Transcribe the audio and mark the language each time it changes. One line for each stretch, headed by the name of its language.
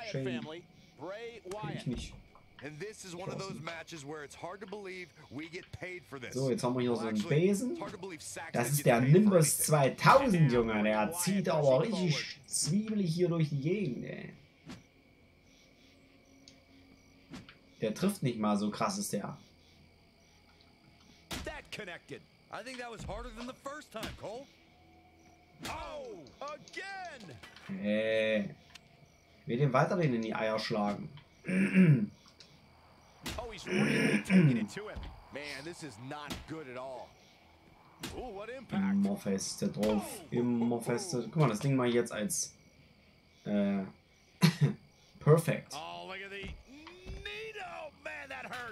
German: Kenn ich nicht.
English: And this is one of those matches where it's hard to believe we get paid for this.
German: So, jetzt haben wir hier so einen Besen. Das ist der Nimbus 2000, Junge. Der zieht aber richtig zwiebelig hier durch die Gegend, ey. Der trifft nicht mal, so krass ist der.
English: That connected. I think that was harder than the first time, Cole. Oh, again.
German: Ich will den weiterhin in die Eier schlagen.
English: Oh, he's really taking it to him. Man, this is not good at all. Oh, what impact.
German: Immer feste drauf. Immer feste. Guck mal, das Ding mal jetzt als perfect.
English: Oh, look at the Nino, man, that hurts.